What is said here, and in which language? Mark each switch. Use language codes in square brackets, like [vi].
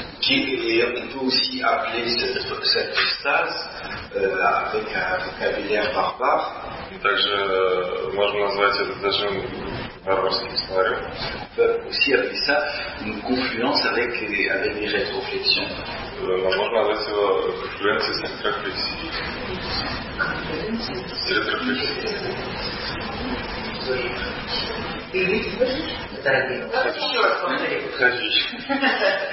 [fr] Et on peut aussi appeler cette stase avec un vocabulaire barbare. [ru] Также можно назвать этот зажим барбарским словарем. [fr] On peut aussi appeler ça une confluence avec les rétroflexions. [ru] Можно назвать его конфлюенцией с рétroflexией.